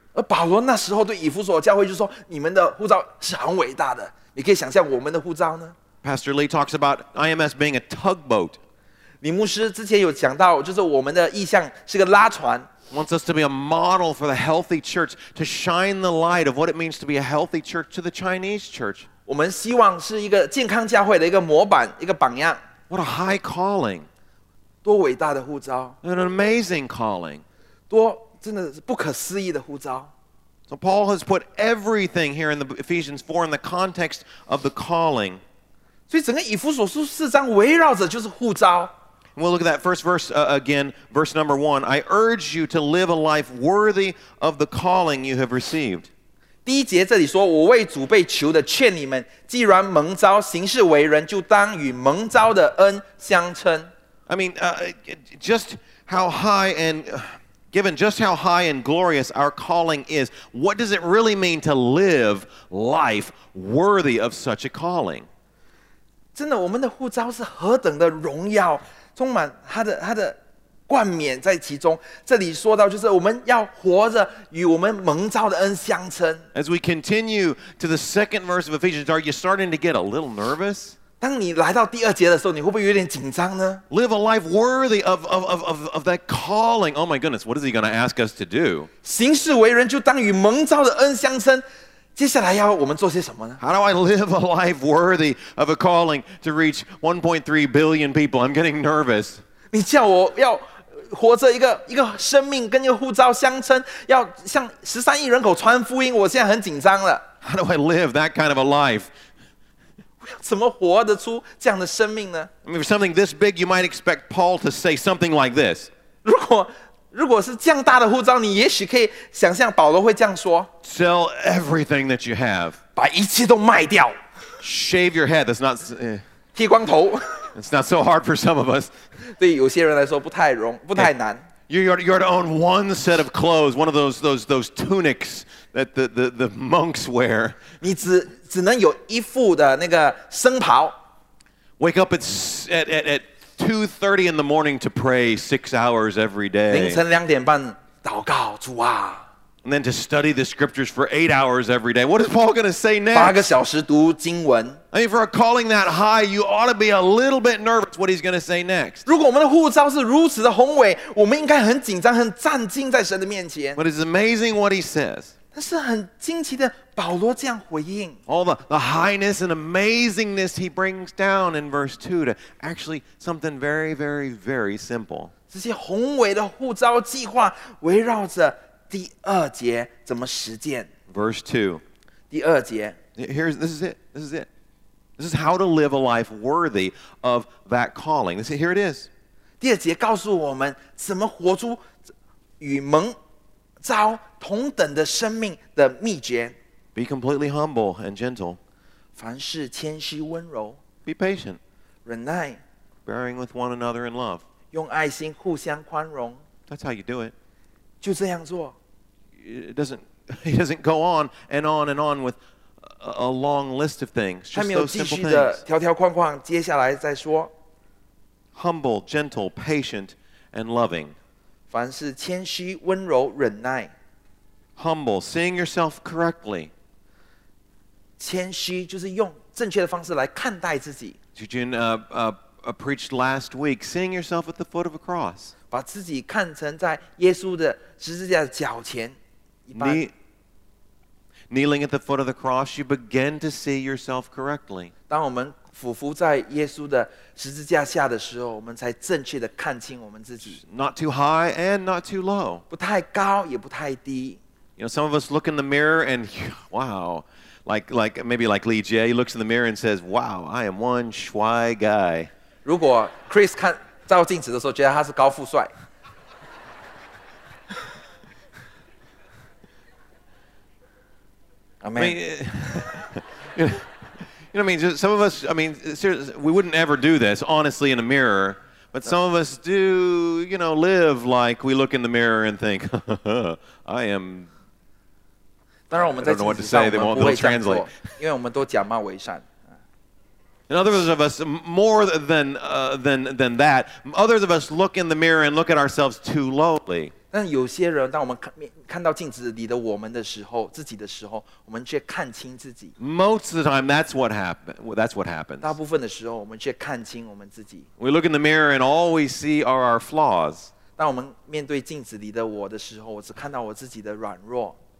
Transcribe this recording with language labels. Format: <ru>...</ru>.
<zh>而保罗那时候对以弗所教会就说：“你们的呼召是很伟大的。” 你可以想象我们的呼召呢</zh> <en>？Pastor Lee talks about IMS being a tugboat.</en> <zh>李牧师之前有讲到，就是我们的意象是个拉船。</zh> <en>Wants us to be a model for the healthy church, to shine the light of what it means to be a healthy church to the Chinese church.</en> <zh>我们希望是一个健康教会的一个模板，一个榜样。</zh> <en>What a high calling!</en> <zh>多伟大的呼召</zh> <en>！An amazing calling!</en> <zh>多真的是不可思议的呼召。</zh> <en>So Paul has put everything here in the Ephesians 4 in the context of the calling.</en> <zh>所以整个以弗所书四章围绕着就是呼召。</zh> <en>We'll look at that first verse again, verse number one. I urge you to live a life worthy of the calling you have received.</en> <zh>第一节这里说，我为主被囚的劝你们，既然蒙召行事为人，就当与蒙召的恩相称。</zh> <en>I mean, just how high and given just how high and glorious our calling is, what does it really mean to live life worthy of such a calling?</en> <zh>真的，我们的呼召是何等的荣耀。充满他的冠冕在其中。这里说到，就是我们要活着与我们蒙召的恩相称。</zh> <en>As we continue to the second verse of Ephesians, are you starting to get a little nervous?</en> <zh>当你来到第二节的时候，你会不会有点紧张呢</zh> <en>？Live a life worthy of that calling. Oh my goodness, what is he going to ask us to do?</en> <zh>行事为人就当与蒙召的恩相称。接下来要我们做些什么呢</zh> <en>？How do I live a life worthy of a calling to reach 1.3 billion people? I'm getting nervous.</en> <zh>你叫我要活着一个生命跟一个呼召相称，要向十三亿人口传福音，我现在很紧张了。</zh> <en>How do I live that kind of a life?</en> <zh>怎么活得出这样的生命呢？</zh> <en>I mean, for something this big, you might expect Paul to say something like this.</en> <zh>如果是这样大的呼召，你也许可以想象保罗会这样说：</zh> <en>Sell everything that you have.</en> <zh>把一切都卖掉。</zh> <en>Shave your head. That's not.</en> <zh>剃光头。</zh> <en>It's not so hard for some of us.</en> <zh>对有些人来说不太难。</zh> <en>You're to own one set of clothes, one of those tunics that the monks wear.</en> <zh>你只能有一副的那个僧袍。</zh> <en>Wake up at 2:30 in the morning to pray 6 hours every day.</en> <zh>凌晨两点半祷告，主啊。</zh> <en>And then to study the scriptures for 8 hours every day. What is Paul going to say next?</en> <zh>八个小时读经文。</zh> <en>I mean, for a calling that high, you ought to be a little bit nervous what he's going to say next.</en> <zh>如果我们的呼召是如此的宏伟，我们应该很紧张，很战兢在神的面前。</zh> <en>But it's amazing what he says.</en> <zh>但是很惊奇的，保罗这样回应。</zh> <en>All the highness and amazingness he brings down in verse 2 to actually something very, very, very simple.</en> <zh>这些宏伟的呼召计划围绕着第二节怎么实践</zh> <en>？Verse 2.</en> <zh>第二节。</zh> <en>This is it. This is how to live a life worthy of that calling. This is, here it is.</en> <zh>第二节告诉我们怎么活出与蒙召同等的生命的秘诀。</zh> <en>Be completely humble and gentle.</en> <zh>凡事谦虚温柔。</zh> <en>Be patient.</en> <zh>忍耐。</zh> <en>Bearing with one another in love.</en> <zh>用爱心互相宽容。</zh> <en>That's how you do it.</en> <zh>就这样做。</zh> <en>He doesn't go on and on and on with a long list of things. Just</en> <zh>他没有继续的条条框框，接下来再说。</zh> <en>Humble, gentle, patient, and loving.</en> <zh>凡事谦虚、温柔、忍耐。</zh> <en>Humble, seeing yourself correctly.</en> <zh>谦虚就是用正确的方式来看待自己。</zh> <en>Eugene preached last week, seeing yourself at the foot of a cross.</en> <zh>把自己看成在耶稣的十字架的脚前一般。</zh> <en>Kneeling at the foot of the cross, you begin to see yourself correctly.</en> <zh>当我们俯伏在耶稣的十字架下的时候，我们才正确的看清我们自己。</zh> <en>Not too high and not too low.</en> <zh>不太高也不太低。</zh> <en>You know, some of us look in the mirror and, wow, like Lee Jay looks in the mirror and says, wow, I am one shy guy.</en> <zh>如果 Chris 看照镜子的时候，觉得他是高富帅。</zh> <en>Amen. You know, I mean, just some of us. I mean, seriously, we wouldn't ever do this, honestly, in a mirror. But some of us do, you know, live like we look in the mirror and think, I am.</en> <zh>当然，我们在镜子上，我们不会这样做，因为我们都假冒伪善。</zh> <en>And others of us, more than that, others of us look in the mirror and look at ourselves too lowly.</en> <zh>但有些人，当我们看到镜子里的我们的时候，自己的时候，我们却看清自己。</zh> <en>Most of the time, that's what happens.</en> <zh>大部分的时候，我们却看清我们自己。</zh> <en>We look in the mirror and all we see are our flaws.</en> <zh>当我们面对镜子里的我的时候，我只看到我自己的软弱。</zh>